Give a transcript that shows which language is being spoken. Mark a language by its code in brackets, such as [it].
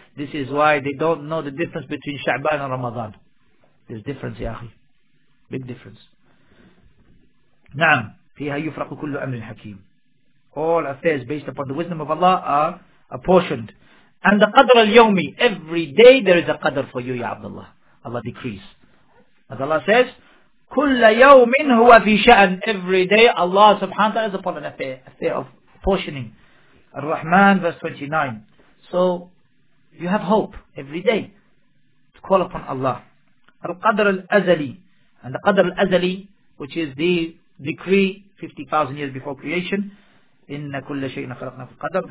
[en] This is why they don't know the difference between Sha'ban and Ramadan. There's difference, ya akhi. Big difference. Naam. [ar] فيها يفرق كل أمر حكيم. [en] All affairs based upon the wisdom of Allah are apportioned. And the qadr al-yawmi. Every day there is a qadr for you, ya Abdullah. Allah decrees. As Allah says, [ar] كل يوم هو في شأن. [en] Every day Allah subhanahu wa ta'ala is upon an affair of portioning. Ar-Rahman verse 29. So you have hope every day to call upon Allah. Al-Qadr al-Azali. And the Qadr al-Azali, which is the decree 50,000 years before creation, [ar] إِنَّ كُلَّ شَيْءٍ خَلَقْنَا فِي الْقَدَرِ.